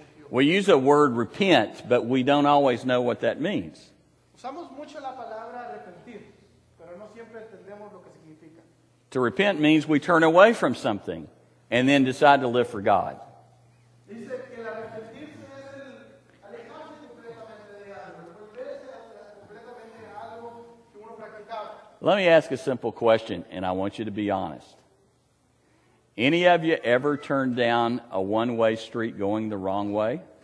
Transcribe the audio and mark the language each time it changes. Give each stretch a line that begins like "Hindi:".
English: We use the word repent, but we don't always know what that means.
Spanish: Usamos mucho la palabra arrepentir, pero no siempre entendemos lo que significa.
English: To repent means we turn away from something and then decide to live for God.
Spanish: Dice que el arrepentirse es el alejarse completamente de algo, volverse completamente de algo que uno practicaba.
English: Let me ask a simple question, and I want you to be honest. Any of you ever turned down a one-way street going the wrong way?